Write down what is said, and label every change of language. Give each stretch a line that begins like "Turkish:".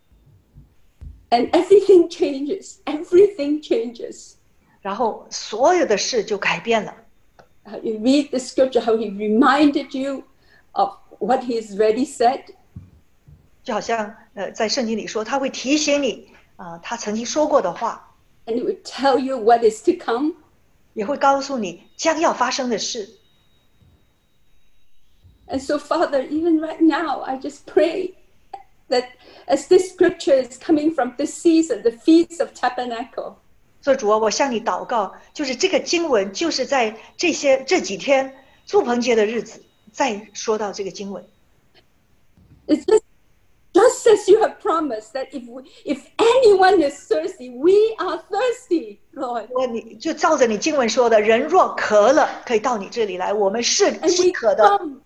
Chinese: 就是他的灵活在我里面了。
English: And everything changes.
Chinese: 然后所有的事就改变了。
English: You read the scripture, how he reminded you of what he has already said.
Chinese: 就好像, 在圣经里说, 他会提醒你, 他曾经说过的话,
English: and it would tell you what is to come.
Chinese: 也会告诉你将要发生的事。
English: And so, Father, even right now, I just pray that as this scripture is coming from this season, the Feast of Tabernacle.
Chinese: 所以主啊，我向你祷告，就是这个经文，就是在这些这几天祝棚节的日子，再说到这个经文。
English: Just as you have promised that if anyone is thirsty, we are thirsty, Lord.
Chinese: 就照着你经文说的，人若渴了，可以到你这里来，我们是饥渴的。